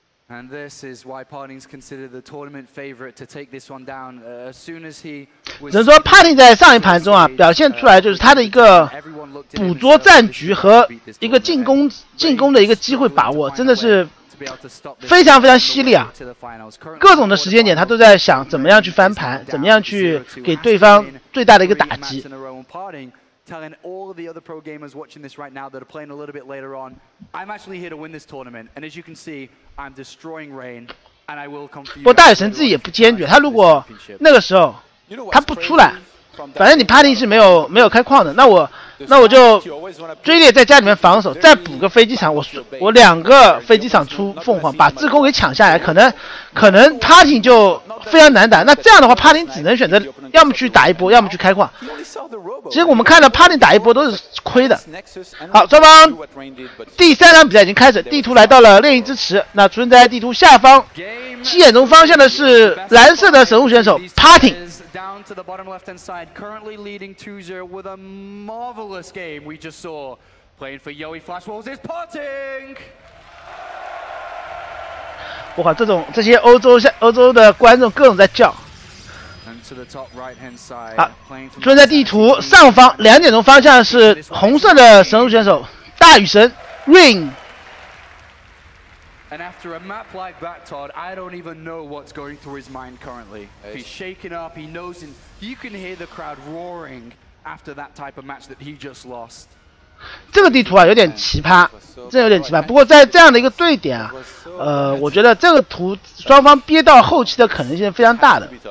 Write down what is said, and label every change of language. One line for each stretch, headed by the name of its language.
English: And this is why Parting's considered the tournament favorite to take this one down as soon as he.
Chinese: 只能说 Parting 在上一盘中啊，表现出来就是他的一个捕捉战局和一个进攻的一个机会把握，真的是。非常非常犀利啊，各种的时间点他都在想怎么样去翻盘，怎么样去给对方最大的一个打击。
English: Telling all of the other pro gamers watching this right now that are playing a little bit later on, I'm actually here to win this tournament. And as you can see, I'm destroying Rain, and I will come for you.
Chinese: 不过大野神自己也不坚决，他如果那个时候他不出来，反正你 Parting 是没有开矿的，那我就追猎在家里面防守，再补个飞机场，我两个飞机场出凤凰把自攻给抢下来，可能 Parting 就非常难打。那这样的话 Parting 只能选择要么去打一波，要么去开矿。其实我们看到 Parting 打一波都是亏的。好，双方第三场比赛已经开始，地图来到了炼狱之池，那出现在地图下方七眼中方向的是蓝色的神户选手 Parting。
English: Down to the bottom left-hand side, currently leading 2-0 with a marvelous game we just saw. Playing for Yoi Flash Wolves is Parting.
Chinese: 我靠，这些欧洲的观众各种在叫。啊，出现在地图上方两点钟方向是红色的神族选手大雨神 Rain。
English: And after a map like that, Todd, I don't even know what's going through his mind currently. He's shaken up, he knows, and you can hear the crowd roaring after that type of match that he just lost.
Chinese: 这个地图啊，有点奇葩，真有点奇葩。不过在这样的一个对点啊，我觉得这个图双方憋到后期的可能性非常大的。